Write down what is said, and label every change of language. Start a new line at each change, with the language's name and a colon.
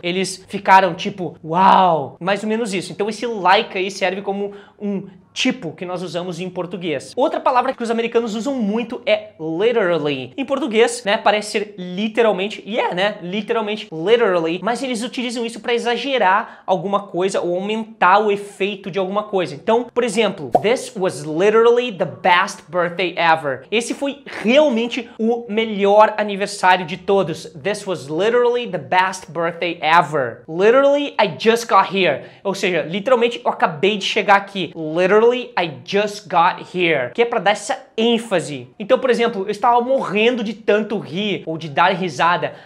Portuguese: Eles ficaram tipo, wow. Mais ou menos isso. Então esse like aí serve como um tipo que nós usamos em português. Outra palavra que os americanos usam muito é literally. Em português, né, parece ser literalmente, literalmente, literally, mas eles utilizam isso para exagerar alguma coisa ou aumentar o efeito de alguma coisa. Então, por exemplo,
English: this was literally the best birthday ever.
Portuguese: Esse foi realmente o melhor aniversário de todos.
English: This was literally the best birthday ever. Literally, I just got here.
Portuguese: Ou seja, literalmente, eu acabei de chegar aqui.
English: Literally, I just got here.
Portuguese: Que é pra dar essa ênfase. Então, por exemplo, eu estava morrendo de tanto rir ou de dar risada.